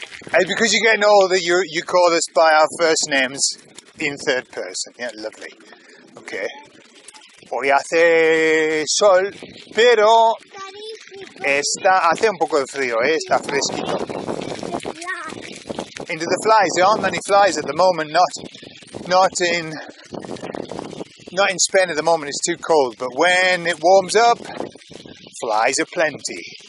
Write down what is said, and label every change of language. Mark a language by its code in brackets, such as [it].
[en] Hey, because you're getting older, you call us by our first names in third person. Yeah, lovely. Okay. [es] Hoy hace sol, pero está, hace un poco de frío, está fresquito. [en] Into the flies. There aren't many flies at the moment, not in Spain at the moment, it's too cold. But when it warms up, flies are plenty.